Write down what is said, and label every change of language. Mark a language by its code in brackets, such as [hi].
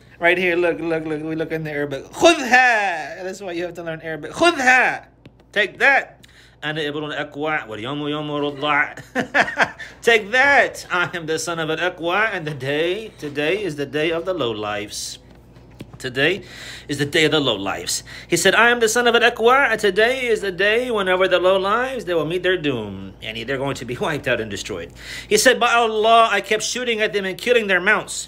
[en] Right here, look, look, look. We look in the Arabic. "Khudha." That's why you have to learn Arabic. "Khudha." Take that. [ar] أنا ابن الأقوى واليوم يوم الرضع. [en] Take that. I am the son of an أقوى, and the day today is the day of the low lives. Today is the day of the low lives. He said, I am the son of an Aqwa, and today is the day whenever the low lives, they will meet their doom. And they're going to be wiped out and destroyed. He said, by Allah, I kept shooting at them and killing their mounts.